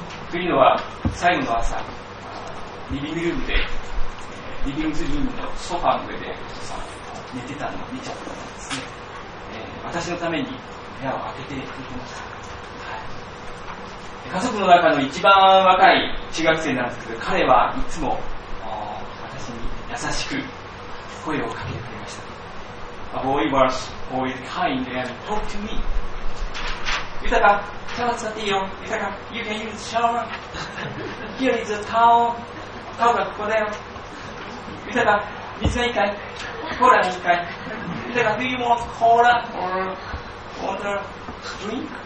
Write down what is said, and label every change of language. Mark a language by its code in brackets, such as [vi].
[ja] というのは最後の朝リビングルームで、リビングルームのソファーの上でお父さん寝てたのを見ちゃったんですね。私のために部屋を開けてくれました。はい、家族の中の一番若い中学生なんですけど、彼はいつも私に優しく声をかけてくれました。 [en] A boy was always kind and talked to me. [ja] ユタカ、シャワー使っていいよ。 [en] ユタカ、You can use shower. Here is a towel. [ja] タオルはここだよ。ユタカ、水がいいかい？コーラがいいかい？ユタカ、 [en] Do you want cola or water drink?